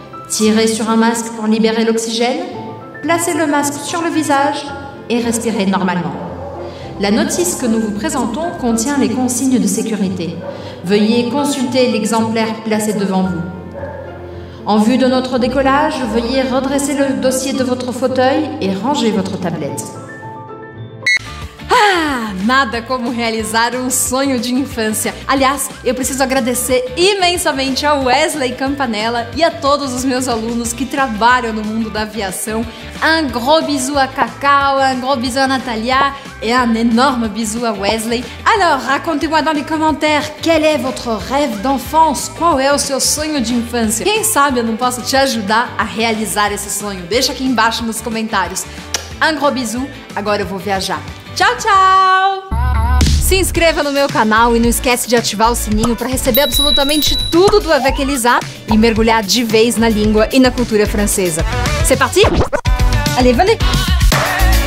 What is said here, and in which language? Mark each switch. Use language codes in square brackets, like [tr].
[fr] Tirez sur un masque pour libérer l'oxygène, placez le masque sur le visage et respirez normalement. La notice que nous vous présentons contient les consignes de sécurité. Veuillez consulter l'exemplaire placé devant vous. En vue de notre décollage, veuillez redresser le dossier de votre fauteuil et ranger votre tablette. Ah, [pt] nada como realizar um sonho de infância. Aliás, eu preciso agradecer imensamente ao Wesley Campanella e a todos os meus alunos que trabalham no mundo da aviação. [fr] Un gros bisou à Cacau, un gros bisou à Natalia et un énorme bisou à Wesley. Alors, racontez-moi dans les commentaires quel est votre rêve d'enfance, [pt] qual é o seu sonho de infância. Quem sabe eu não posso te ajudar a realizar esse sonho. Deixa aqui embaixo nos comentários. [fr] Un gros bisou, [pt] agora eu vou viajar. Tchau, tchau! Se inscreva no meu canal e não esquece de ativar o sininho para receber absolutamente tudo do Avec Elisa e mergulhar de vez na língua e na cultura francesa. [fr] C'est parti? Allez, venez!